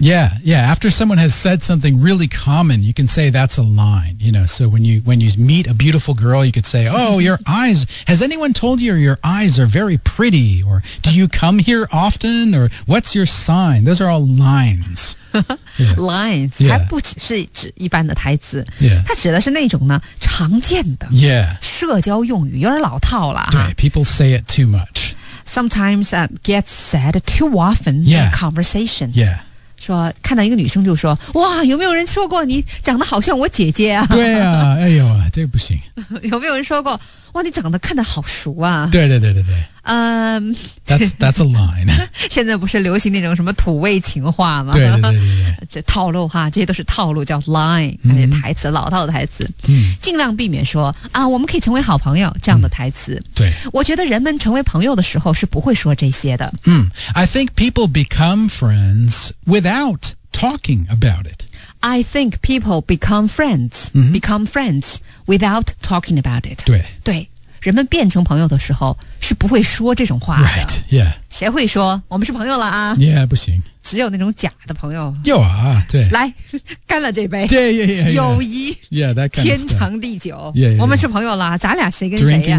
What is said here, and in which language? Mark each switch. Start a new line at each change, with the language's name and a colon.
English: yeah after someone has said something really common you can say that's a line you know so when you meet a beautiful girl you could say oh your eyes has anyone told you your eyes are very pretty or do you come here often or what's your sign those are all lines yeah. Lines、yeah.
Chinese: 还不只是指一般的台词、
English: yeah.
Chinese: 它指的是那种呢常见的、
English: yeah.
Chinese: 社交用语有点老套了对
English: people say it too much Sometimes it gets said too often、 yeah. in conversation、 yeah.
Chinese: 说看到一个女生就说哇有没有人说过你长得好像我姐姐啊对啊哎呦这不行有没有人说过哇你长得看得好熟啊对
English: That's a line.
Chinese: 现在不是流行那种什么土味情话吗？对。这套路哈，这些都是套路，叫 line， 那些台词，老套的台词。尽量避免说啊，我们可以成为好朋友这样的台词。对。我觉得人们成为朋友的时候是不会说这些的。
English: I think people become friends without talking about it. I think people become friends,、become friends without talking about it.
Chinese: 对。人们变成朋友的时候是不会说这种话的。
English: Right, yeah.
Chinese: 谁会说我们是朋友了啊？
English: Yeah,
Chinese: 不行。只有那种假的朋友。有啊，对。来，干了这杯。
English: Yeah.
Chinese: 友谊。
English: Yeah, that kind of
Chinese: 天长地久。
English: Yeah.
Chinese: 我们是朋友了，咱俩谁跟谁呀、